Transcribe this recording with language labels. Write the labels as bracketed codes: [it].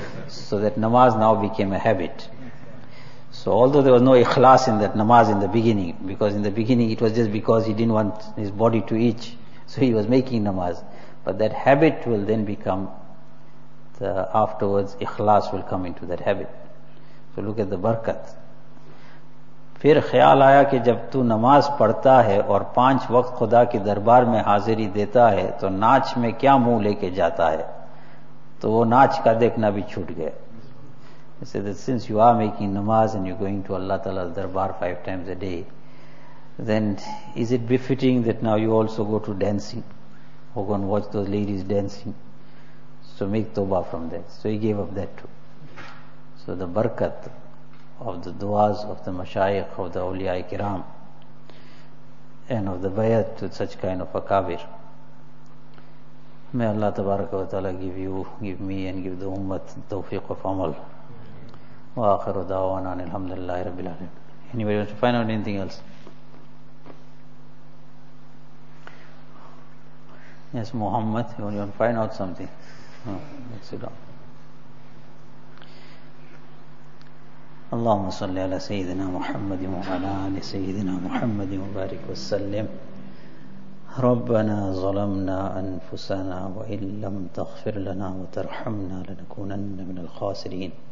[en] So that namaz now became a habit. So although there was no ikhlas in that namaz in the beginning, because in the beginning it was just because he didn't want his body to itch, so he was making namaz. But that habit will then become, the afterwards ikhlas will come into that habit. So look at the barakat. [ur] پھر خیال آیا کہ جب تو نماز پڑھتا ہے اور پانچ وقت خدا کی دربار میں حاضری دیتا ہے تو ناچ میں کیا منہ لے کے جاتا ہے تو وہ ناچ کا دیکھنا بھی چھوٹ گیا. [en] He said that since you are making namaz and you're going to Allah Ta'ala's darbar five times a day, then is it befitting that now you also go to dancing or go and watch those ladies dancing? So make toba from that. So he gave up that too. So the barakat of the duas of the mashayikh of the awliya-i kiram and of the bayat to such kind of akabir. May Allah tabaraka wa ta'ala give you, give me and give the ummat the tawfiq of amal. [ar] Wa akhiru da'wana alhamdulillahi rabbil alamin. [en] Anybody wants to find out anything else? Yes, Muhammad, you want to find out something? No, let's sit down. [ar] اللهم صل على سيدنا محمد وعلى آل سيدنا محمد وبارك وسلم ربنا ظلمنا أنفسنا وإن لم تغفر لنا وترحمنا لنكونن من الخاسرين